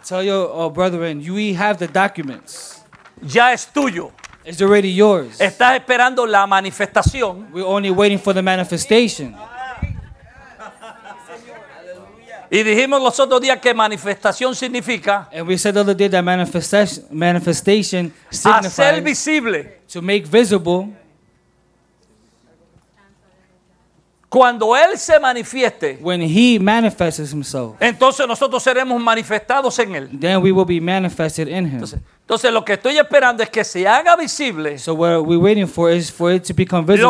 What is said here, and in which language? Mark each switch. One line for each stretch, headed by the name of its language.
English: Tell your brethren, we have the documents.
Spanish: Ya es tuyo.
English: It's already yours.
Spanish: Estás esperando la manifestación.
English: We're only waiting for the manifestation.
Spanish: Y dijimos los otros días que manifestación significa.
English: And we said the other day that manifestation signifies.
Spanish: Hacer visible.
English: To make visible.
Spanish: Cuando él se manifieste.
English: When he manifests himself.
Spanish: Entonces nosotros seremos manifestados en él.
English: Then we will be manifested in him.
Spanish: Entonces lo que estoy esperando es que se haga visible.
English: So what we're waiting for is for it to become visible.